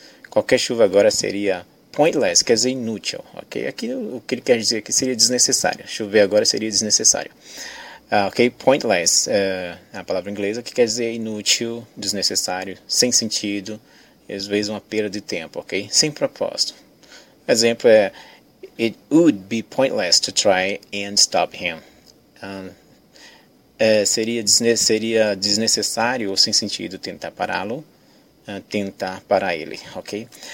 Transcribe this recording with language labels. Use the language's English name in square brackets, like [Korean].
[Portuguese] Qualquer chuva agora seria pointless, quer dizer inútil, ok? Aqui, o que ele quer dizer aqui seria desnecessário. Chover agora seria desnecessário. Ok, pointless é a palavra inglesa que quer dizer inútil, desnecessário, sem sentido, às vezes uma perda de tempo, ok? Sem propósito. Exemplo é, [English] it would be pointless to try and stop him. [Portuguese] Seria desnecessário ou sem sentido tentar pará-lo, tentar parar ele, ok?